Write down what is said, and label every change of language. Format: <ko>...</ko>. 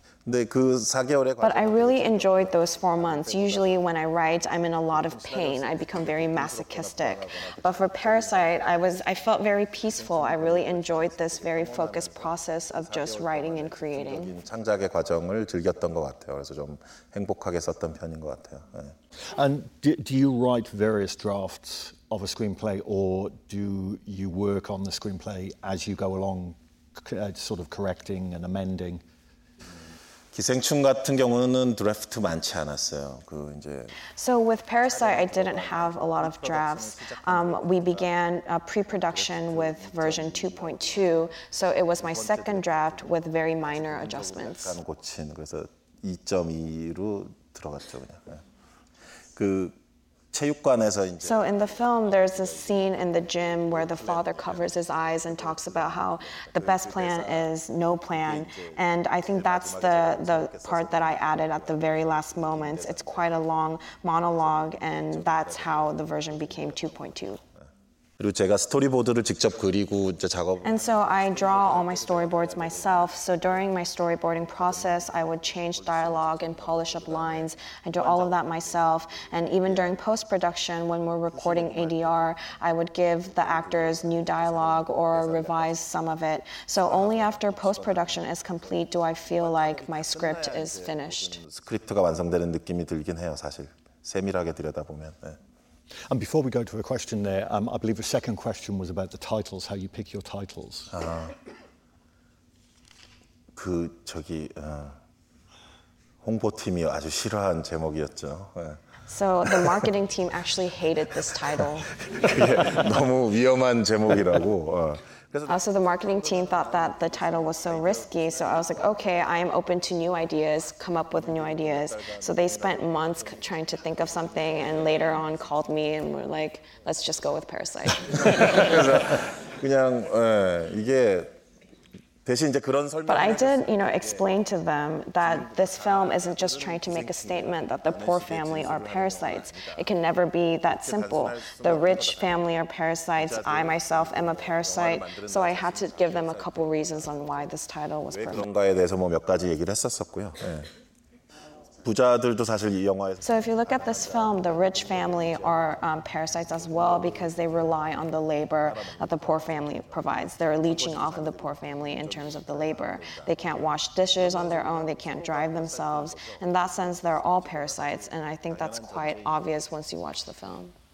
<en>But I really enjoyed those 4 months. Usually when I write, I'm in a lot of pain. I become very masochistic. But for Parasite, I felt very peaceful. I really enjoyed this very focused process of just writing and creating.</en> <ko>창작의 과정을 즐겼던 것 같아요. 그래서 좀 행복하게 썼던 편인 것 같아요.</ko> <en>And do you write various drafts of a screenplay, or do you work on the screenplay as you go along, sort of correcting and amending?</en> <ko>기생충 같은 경우는 드래프트 많지 않았어요. 그 이제</ko> <en>So with Parasite, I didn't have a lot of drafts. We began a pre-production with version 2.2, so it was my second draft with very minor adjustments.</en> <ko>약간 고친 그래서 2.2로 들어갔죠 그냥. 그</ko> <en>So in the film, there's a scene in the gym where the father covers his eyes and talks about how the best plan is no plan. And I think that's the part that I added at the very last moment. It's quite a long monologue, and that's how the version became 2.2. 그리고 제가 스토리보드를 직접 그리고 이제 작업. And so I draw all my storyboards myself. So during my storyboarding process, I would change dialogue and polish up lines. I do all of that myself. And even during post-production, when we're recording ADR, I would give the actors new dialogue or revise some of it. So only after post-production is complete do I feel like my script is finished.</en> <ko>스크립트가 완성되는 느낌이 들긴 해요, 사실. 세밀하게 들여다보면. 네.</ko> <en>And before we go to a question there, I believe the second question was about the titles, how you pick your titles. 아,</en> <ko>그 저기 홍보팀이 아주 싫어한 제목이었죠.</ko> <en>So the marketing team actually hated this title.</en> <ko>너무 위험한 제목이라고.</ko> <en>Also, the marketing team thought that the title was so risky, so I was like, okay, I am open to new ideas, come up with new ideas. So they spent months trying to think of something and later on called me and were like, let's just go with Parasite.</en> <ko>그냥, 이게 대신 이제 그런 설명을</ko> <en>But I did, you know, explain to them that this film isn't just trying to make a statement that the poor family are parasites. It can never be that simple. The rich family are parasites. I myself am a parasite. So I had to give them a couple reasons on why this title was perfect.</en> <ko>그런가에 대해서 뭐 몇 가지 얘기를 했었었고요. 부자들도 사실 이 영화에</ko> <en>So if you look at this film, the rich family are parasites as well because they rely on the labor that the poor family provides. They're leeching off of the poor family in terms of the labor. They can't wash dishes on their own, they can't drive themselves. In that sense, they're all parasites, and I think that's quite obvious once you watch the film.</en>